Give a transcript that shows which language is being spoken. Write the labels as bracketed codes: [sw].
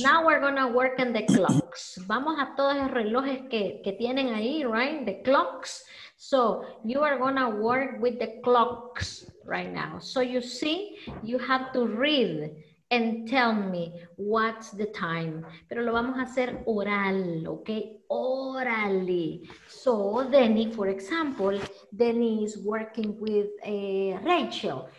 [en] Now we're going to work on the clocks. [es] Vamos a todos los relojes que tienen ahí, right? [en] The clocks. So you are going to work with the clocks right now. So you see, you have to read and tell me what's the time. [es] Pero lo vamos a hacer oral, okay? Orally. [en] So Denny, for example, Denny is working with Rachel.